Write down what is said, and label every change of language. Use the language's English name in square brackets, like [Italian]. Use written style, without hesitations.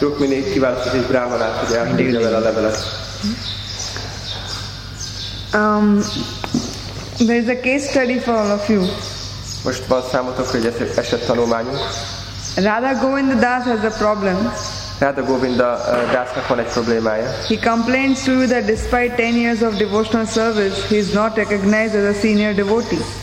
[Hungarian] Rukmini kivalasztotta a Brahmanát, hogy elküldje vele a levelet. [English] There is a case study for all of you. [Hungarian] Most van számotok, hogy esett tanulmányunk. [English] Radha Govinda Das has a problem. [Hungarian] Radha Govinda Dasnak van egy problémája. [English] He complains to you that despite 10 years of devotional service, he is not recognized as a senior devotee.